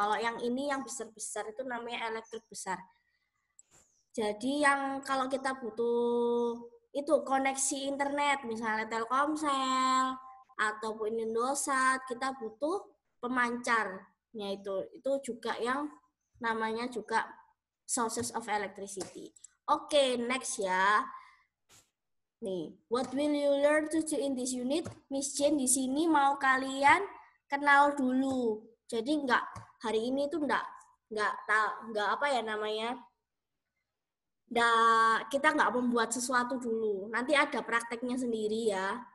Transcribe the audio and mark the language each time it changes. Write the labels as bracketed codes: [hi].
[id] Kalau yang ini yang besar-besar itu namanya elektrik besar. Jadi yang kalau kita butuh itu koneksi internet, misalnya Telkomsel ataupun Indosat, kita butuh pemancarnya itu. Itu juga yang namanya juga [en] sources of electricity. [id] Oke, next ya. Nih, [en] what will you learn to do in this unit? [id] Miss Jane di sini mau kalian kenal dulu. Jadi enggak hari ini tuh kita enggak membuat sesuatu dulu. Nanti ada prakteknya sendiri ya.